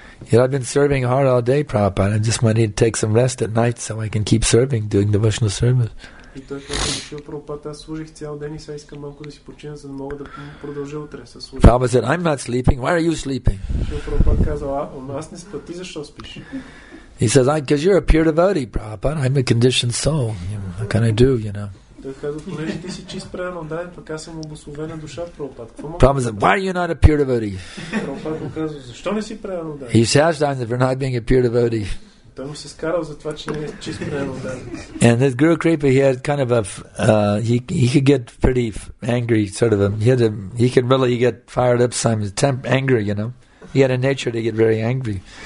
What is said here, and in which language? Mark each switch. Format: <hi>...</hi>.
<en>Yet I've been serving hard all day, Prabhupada. I just wanted to take some rest at night so I can keep serving, doing devotional service.</en> <bg>И той каза, Шрила Прабхупада, аз служих цял ден и сега искам малко да си почина, за да мога да продължа утре със служба.</bg> <en>Prabhupada said, I'm not sleeping, why are you sleeping?</en> <bg>Шрила Прабхупада каза, аз не спа, ти защо спиш?</bg> <en>He says, because you're a pure devotee, Prabhupada, I'm a conditioned soul, what can I do, you know?</en> <bg>Той каза, понеже ти си чист предан отдаден, пък аз съм обословена душа, Прабхупада.</bg> <en>Prabhupada said, why are you not a pure devotee?</en> <bg>Прабхупада му каза, защо не си предан отдаден?</bg> <en>He says, I'm not being a pure devotee. And this Guru Kripa, he had kind of a he could get pretty angry, sort of a he could really get fired up sometimes, anger, you know. He had a nature to get very angry.</en>